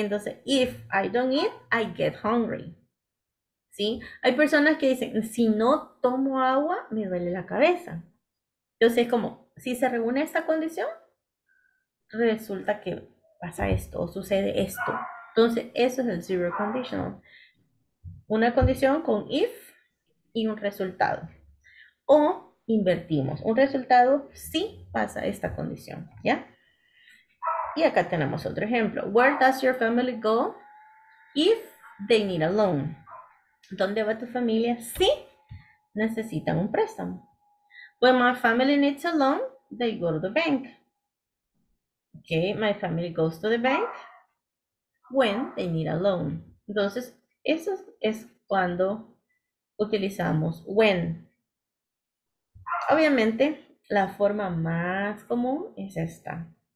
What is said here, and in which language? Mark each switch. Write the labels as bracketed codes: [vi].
[es] Entonces, [en] if I don't eat, I get hungry. [es] ¿Sí? Hay personas que dicen, si no tomo agua, me duele la cabeza. Entonces, como, si se reúne esta condición, resulta que pasa esto o sucede esto. Entonces, eso es el zero conditional. Una condición con if y un resultado. O invertimos. Un resultado sí pasa esta condición, ¿ya? Y acá tenemos otro ejemplo. [en] Where does your family go if they need a loan? [es] ¿Dónde va tu familia si necesitan un préstamo? [en] When my family needs a loan, they go to the bank. Okay, my family goes to the bank when they need a loan. [es] Entonces, eso es cuando utilizamos when. Obviamente, la forma más común es esta.